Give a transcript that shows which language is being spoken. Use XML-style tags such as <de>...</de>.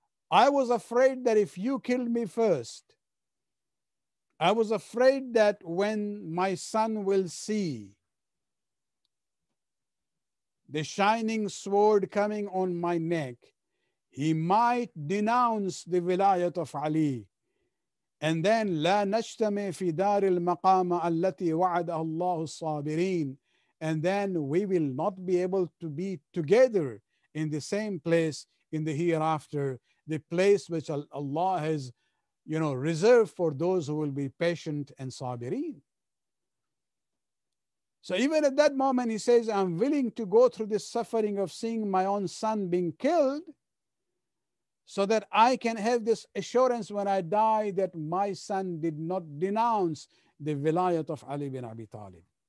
<en>I was afraid that if you kill me first, I was afraid that when my son will see the shining sword coming on my neck, he might denounce the wilayat of Ali. And then,</en> <ar>لا نجتمع في دار المقام التي وعدها الله الصابرين.</ar> <en>And then we will not be able to be together in the same place in the hereafter, the place which Allah has, you know, reserved for those who will be patient and sabireen. So even at that moment, he says, I'm willing to go through the suffering of seeing my own son being killed so that I can have this assurance when I die that my son did not denounce the wilayat of Ali ibn Abi Talib.</en>